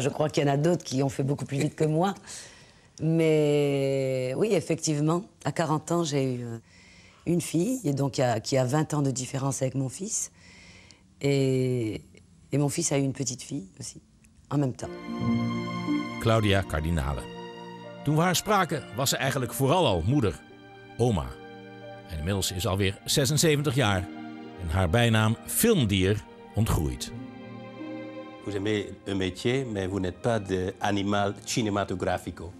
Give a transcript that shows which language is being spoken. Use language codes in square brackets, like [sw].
[fr] Je crois qu'il y en a d'autres qui ont fait beaucoup plus vite que moi. Mais oui, effectivement, à 40 ans, j'ai eu une fille et donc qui a 20 ans de différence avec mon fils. Et mon fils a eu une petite fille aussi, en même temps. Claudia Cardinale. [nl] Toen we haar spraken, was ze eigenlijk vooral al moeder, oma. En inmiddels is alweer 76 jaar en haar bijnaam filmdier ontgroeid. [fr] Vous aimez un métier, mais vous n'êtes pas de animal cinematográfico.